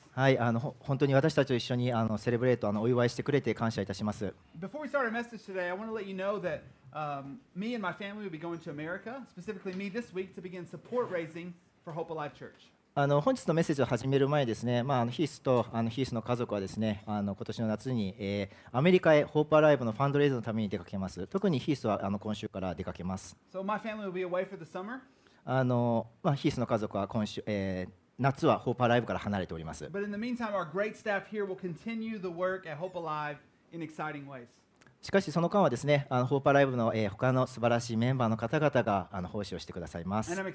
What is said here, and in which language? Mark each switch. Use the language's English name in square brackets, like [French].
[Japanese] はい、本当に私たちと一緒にセレブレート、お祝いしてくれて感謝いたします。 [English] Before we start our message today, I want to let you know that、me and my family will be going to America, specifically me this week, to begin support raising for Hope Alive Church. [Japanese] 本日のメッセージを始める前ですね、ヒースとヒースの家族はですね、今年の夏に、アメリカへホープアライブのファンドレイズのために出かけます。特にヒースは今週から出かけます。 [English] So my family will be away for the summer. [Japanese] ヒースの家族は今週、夏はホープアライブから離れております。 [English] But in the meantime, our great staff here will continue the work at Hope Alive in exciting ways. [Japanese] しかしその間はですね、ホープアライブの、他の素晴らしいメンバーの方々が奉仕をしてくださいます。